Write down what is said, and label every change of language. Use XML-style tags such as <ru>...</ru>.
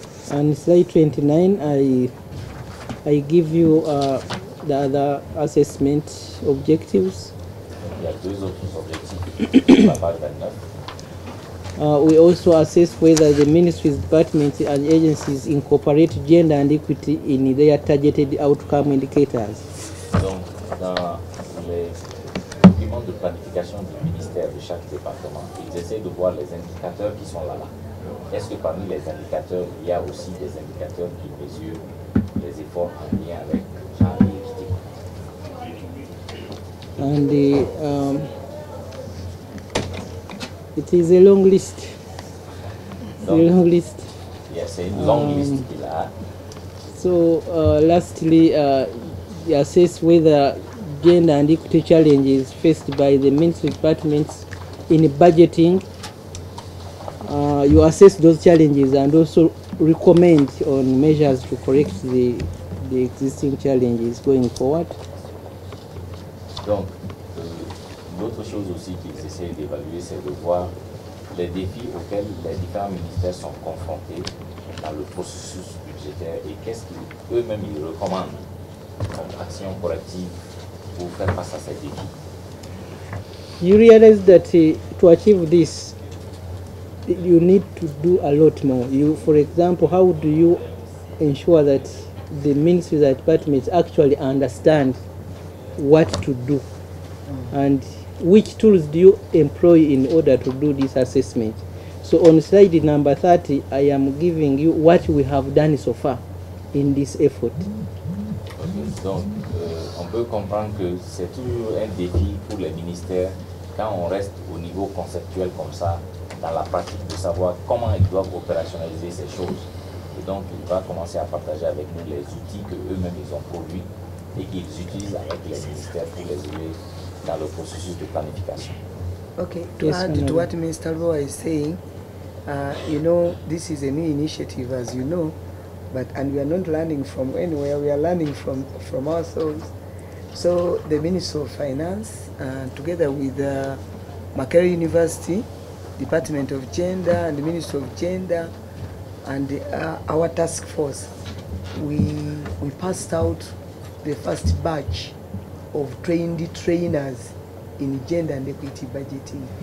<en>On slide 29, I give you the other assessment objectives.</en> <fr>Donc, il y a deux autres objectifs sur la page 29.</fr> <en>We also assess whether the ministries, departments and agencies incorporate gender and equity in their targeted outcome indicators.</en> <fr>Donc, dans les documents de planification du ministère de chaque département, ils essaient de voir les indicateurs qui sont là-bas. Est-ce que parmi les indicateurs, il y a aussi des indicateurs qui mesurent les efforts en lien avec genre et équité?</fr> <en>And the, It is a long list. A long list. Yes, a long list. So, lastly, you assess whether gender and equity challenges faced by the ministry departments in budgeting. You assess those challenges and also recommend on measures to correct the existing challenges going forward.</en> <fr>Donc, l'autre chose aussi qu'ils essayent d'évaluer, c'est de voir les défis auxquels les différents ministères sont confrontés dans le processus budgétaire et qu'est-ce qu'eux-mêmes ils recommandent comme action corrective pour faire face à ces défis.</fr> <en>You realize that to achieve this, you need to do a lot more. You, for example, how do you ensure that the ministries and departments actually understand what to do, and which tools do you employ in order to do this assessment? So on slide number 30, I am giving you what we have done so far in this effort.</en> <fr>Okay, donc, on peut comprendre que c'est toujours un défi pour les ministères quand on reste au niveau conceptuel comme ça, dans la pratique, de savoir comment ils doivent opérationnaliser ces choses. Et donc, il va commencer à partager avec nous les outils que eux-mêmes ils ont produits et qu'ils utilisent avec les ministères pour les aider dans le processus de planification.</fr> <en>Ok, to add to what Minister Roa is saying, you know, this is a new initiative, as you know, but and we are not learning from anywhere, we are learning from ourselves. So the Minister of Finance, together with Makerere University, Department of Gender and the Minister of Gender and our task force, we passed out the first batch of trained trainers in gender and equity budgeting.</en>